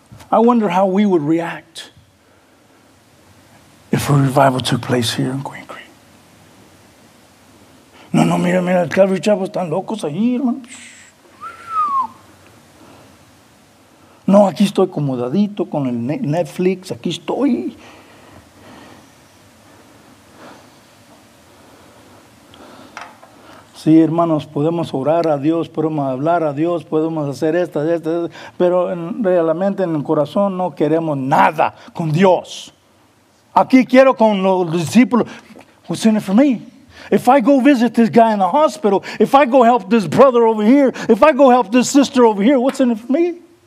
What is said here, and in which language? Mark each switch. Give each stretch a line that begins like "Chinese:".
English: I wonder how we would react if a revival took place here in Queen Creek.
Spanish: No, no, mira, mira, el Calvary Chapel están locos ahí, hermano. No, aquí estoy acomodadito con el Netflix, aquí estoy. Sí, hermanos, podemos orar a Dios, podemos hablar a Dios, podemos hacer esta, pero realmente en el corazón no queremos nada con Dios. Aquí quiero con los discípulos.
English: What's in it for me? If I go visit this guy in the hospital, if I go help this brother over here, if I go help this sister over here, what's in it for me?